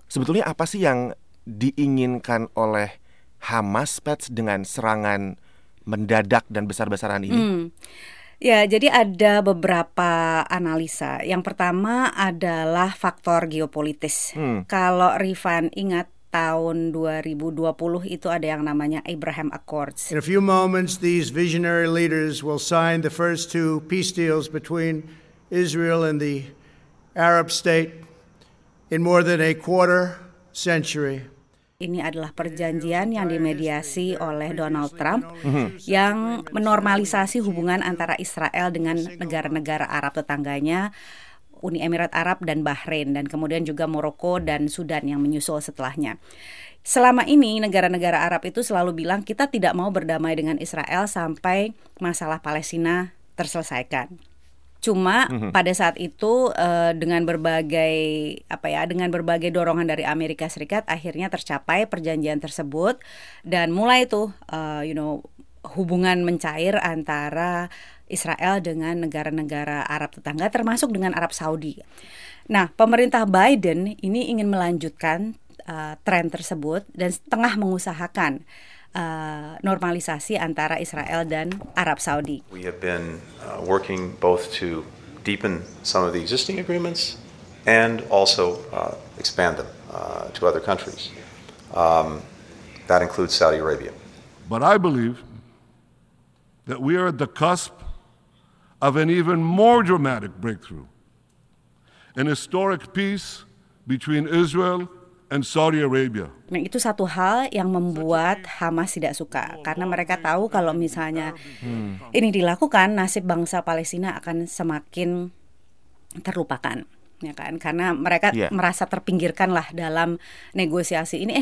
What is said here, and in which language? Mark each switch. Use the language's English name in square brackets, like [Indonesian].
[Indonesian] Sebetulnya apa sih yang diinginkan oleh Hamas, Pets, dengan serangan mendadak dan besar-besaran ini? Ya, jadi ada beberapa analisa. Yang pertama adalah faktor geopolitis. Kalau Rifan ingat, tahun 2020 itu ada yang namanya Abraham Accords. [English] In a few moments, these visionary leaders will sign the first two peace deals between Israel and the Arab state in more than a quarter century. [Indonesian] Ini adalah perjanjian yang dimediasi oleh Donald Trump yang menormalisasi hubungan antara Israel dengan negara-negara Arab tetangganya, Uni Emirat Arab dan Bahrain, dan kemudian juga Maroko dan Sudan yang menyusul setelahnya. Selama ini negara-negara Arab itu selalu bilang kita tidak mau berdamai dengan Israel sampai masalah Palestina terselesaikan. Cuma pada saat itu dengan berbagai dorongan dari Amerika Serikat akhirnya tercapai perjanjian tersebut dan mulai tuh hubungan mencair antara Israel dengan negara-negara Arab tetangga termasuk dengan Arab Saudi. Nah, pemerintah Biden ini ingin melanjutkan tren tersebut dan tengah mengusahakan normalisasi antara Israel dan Arab Saudi. [English] We have been working both to deepen some of the existing agreements and also expand them to other countries. That includes Saudi Arabia. But I believe that we are at the cusp of an even more dramatic breakthrough. An historic peace between Israel and Saudi Arabia. [Indonesian] Nah, itu satu hal yang membuat Hamas tidak suka karena mereka tahu kalau misalnya ini dilakukan nasib bangsa Palestina akan semakin terlupakan, ya kan? Karena mereka merasa terpinggirkan lah dalam negosiasi ini.